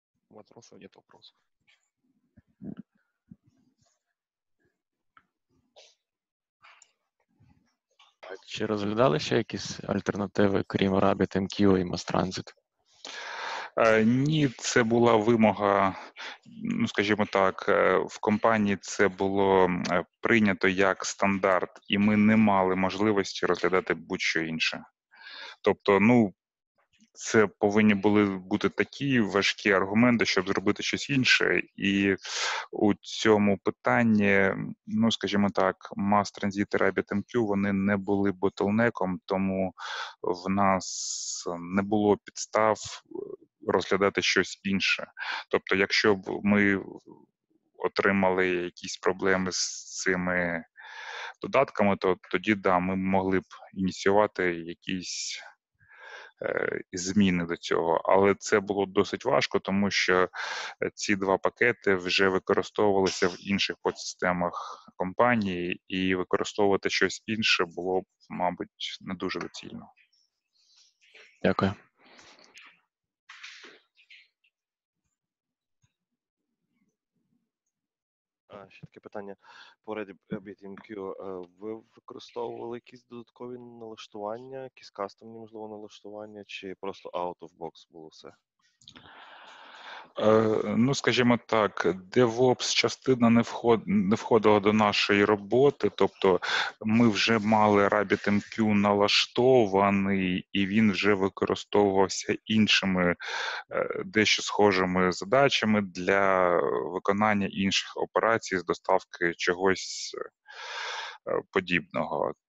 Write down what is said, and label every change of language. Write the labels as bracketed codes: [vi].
[ru] Вопросов нет, вопросов. [uk] Чи розглядали ще якісь альтернативи, крім RabbitMQ і MassTransit? Ні, це була вимога, ну, скажімо так, в компанії це було прийнято як стандарт, і ми не мали можливості розглядати будь-що інше. Тобто, ну, це повинні були бути такі важкі аргументи, щоб зробити щось інше. І у цьому питанні, ну, скажімо так, MassTransit і RabbitMQ, вони не були ботлнеком, тому в нас не було підстав розглядати щось інше. Тобто, якщо б ми отримали якісь проблеми з цими додатками, то тоді, да, ми могли б ініціювати якісь зміни до цього. Але це було досить важко, тому що ці два пакети вже використовувалися в інших подсистемах компанії, і використовувати щось інше було б, мабуть, не дуже доцільно. Дякую. Ще таке питання по RabbitMQ. Ви використовували якісь додаткові налаштування, якісь кастомні, можливо, налаштування, чи просто out of box було все? Ну, скажімо так, DevOps частина не входила до нашої роботи, тобто ми вже мали RabbitMQ налаштований, і він вже використовувався іншими, дещо схожими задачами для виконання інших операцій з доставки чогось подібного.